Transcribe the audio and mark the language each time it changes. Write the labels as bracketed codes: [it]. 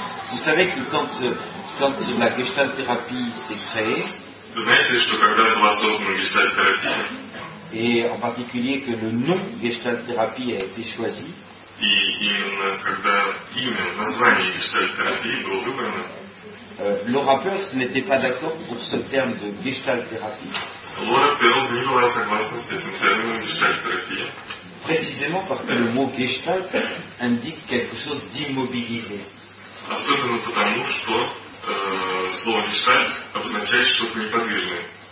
[fr] Vous savez que quand la Gestalt-thérapie s'est créée. [ru] Вы знаете, что когда была создана Gestalt-терапия. [fr] Et en particulier que le nom Gestalt-thérapie a été choisi. [ru] И именно когда имя, название Gestalt-терапии было выбрано. [fr] Laura Peirce n'était pas d'accord pour ce terme de Gestalt-thérapie. [ru] Laura Peirce не была согласна с этим термином Gestalt-терапия. [fr] Précisément parce que le mot Gestalt indique quelque chose d'immobilisé. [ru] Особенно потому, что слово Gestalt обозначает что-то неподвижное.